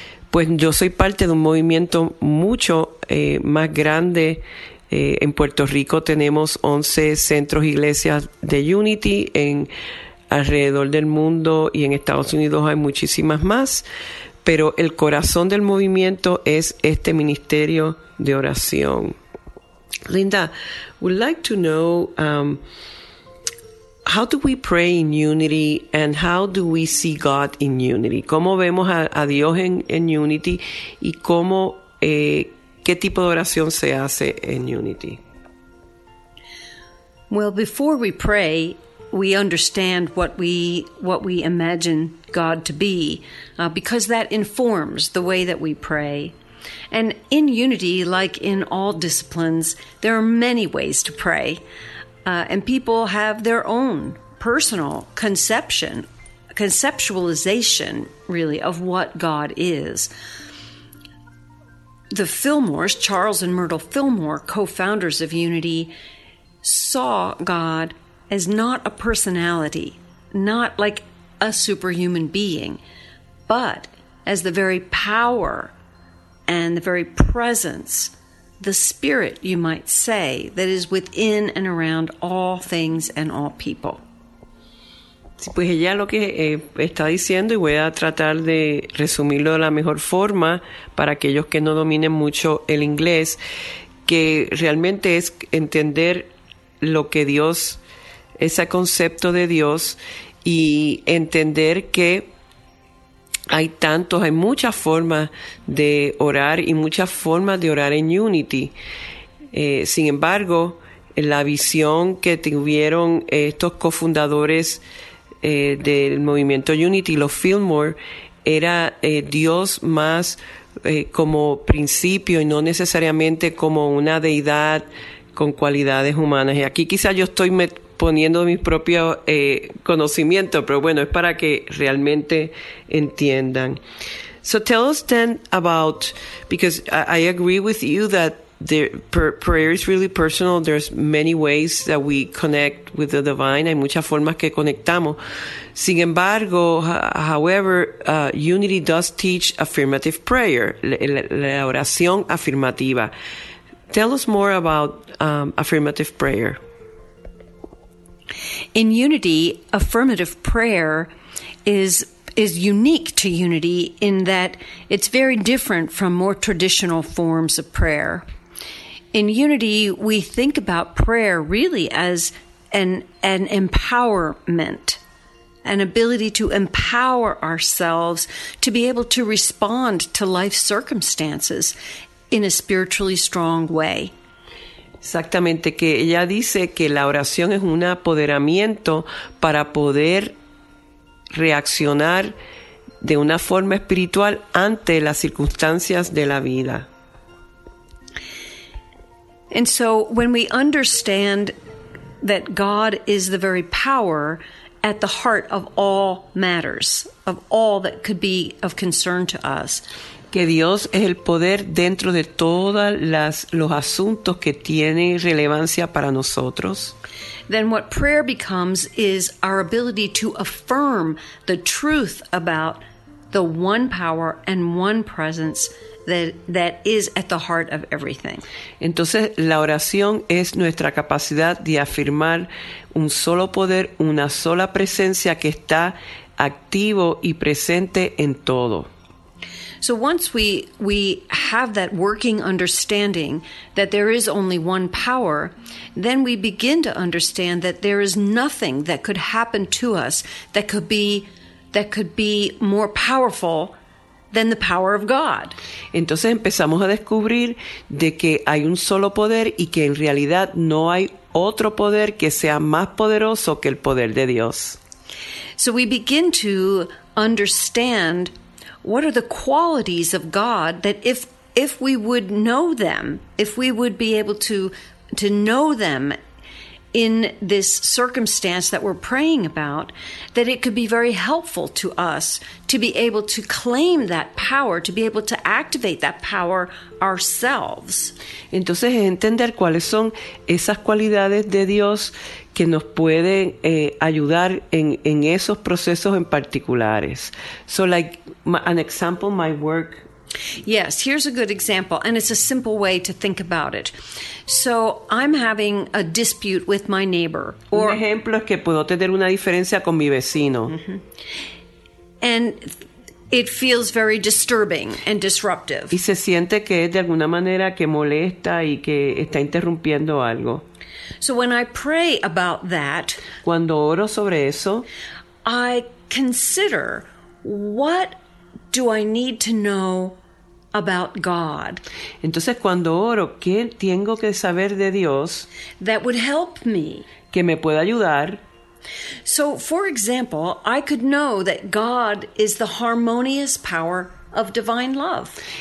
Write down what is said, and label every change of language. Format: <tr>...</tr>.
<es>Pues yo soy parte de un movimiento mucho más grande. En Puerto Rico tenemos 11 centros iglesias de Unity, en alrededor del mundo, y en Estados Unidos hay muchísimas más, pero el corazón del movimiento es este ministerio de oración.</es> <en>Linda, we'd like to know how do we pray in Unity and how do we see God in Unity?</en> <es>¿Cómo vemos a Dios en Unity y cómo qué tipo de oración se hace en Unity?</es> <en>Well, before we pray, we understand what we imagine God to be, because that informs the way that we pray. And in Unity, like in all disciplines, there are many ways to pray, and people have their own personal conceptualization, really, of what God is. The Fillmores, Charles and Myrtle Fillmore, co-founders of Unity, saw God as not a personality, not like a superhuman being, but as the very power and the very presence, the spirit, you might say, that is within and around all things and all people.</en> <es>Sí, pues ella lo que está diciendo, y voy a tratar de resumirlo de la mejor forma para aquellos que no dominen mucho el inglés, que realmente es entender lo que Dios, ese concepto de Dios, y entender que hay muchas formas de orar y muchas formas de orar en Unity. Sin embargo, la visión que tuvieron estos cofundadores del movimiento Unity, los Fillmore, era Dios más como principio y no necesariamente como una deidad con cualidades humanas. Y aquí quizás yo estoy poniendo mis propios conocimientos, pero bueno, es para que realmente entiendan.</es> <en>So tell us then about, because I agree with you that prayer is really personal. There's many ways that we connect with the divine.</en> <es>Hay muchas formas que conectamos. Sin embargo,</es> <en>however, Unity does teach affirmative prayer,</en> <es>la oración afirmativa.</es> <en>Tell us more about affirmative prayer. In Unity, affirmative prayer is unique to Unity in that it's very different from more traditional forms of prayer. In Unity, we think about prayer really as an empowerment, an ability to empower ourselves to be able to respond to life circumstances in a spiritually strong way.</en> <es>Exactamente, que ella dice que la oración es un apoderamiento para poder reaccionar de una forma espiritual ante las circunstancias de la vida.</es> <en>And so when we understand that God is the very power at the heart of all matters, of all that could be of concern to us,</en> <es>que Dios es el poder dentro de todas los asuntos que tiene relevancia para nosotros,</es> <en>then what prayer becomes is our ability to affirm the truth about the one power and one presence that is at the heart of everything.</en> <es>Entonces, la oración es nuestra capacidad de afirmar un solo poder, una sola presencia que está activo y presente en todo.</es> <en>So once we have that working understanding that there is only one power, then we begin to understand that there is nothing that could happen to us that could be more powerful than the power of God.</en> <es>Entonces empezamos a descubrir de que hay un solo poder y que en realidad no hay otro poder que sea más poderoso que el poder de Dios.</es> <en>So we begin to understand what are the qualities of God that if we would know them, if we would be able to know them in this circumstance that we're praying about, that it could be very helpful to us to be able to claim that power, to be able to activate that power ourselves.</en> <es>Entonces, entender cuáles son esas cualidades de Dios que nos pueden ayudar en esos procesos en particulares.</es> <en>So, like, an example, my work. Yes, here's a good example, and it's a simple way to think about it. So I'm having a dispute with my neighbor.</en> <es>Un ejemplo es que puedo tener una diferencia con mi vecino.</es> <en>And it feels very disturbing and disruptive.</en> <es>Y se siente que es de alguna manera que molesta y que está interrumpiendo algo.</es> <en>So when I pray about that,</en> <es>cuando oro sobre eso,</es> <en>I consider what do I need to know about God?</en> <es>Entonces, cuando oro, ¿qué tengo que saber de Dios?</es> <en>That would help me.</en> <es>Que me pueda ayudar.</es> <en>So, for example, I could know that God is the harmonious power of divine love.</en>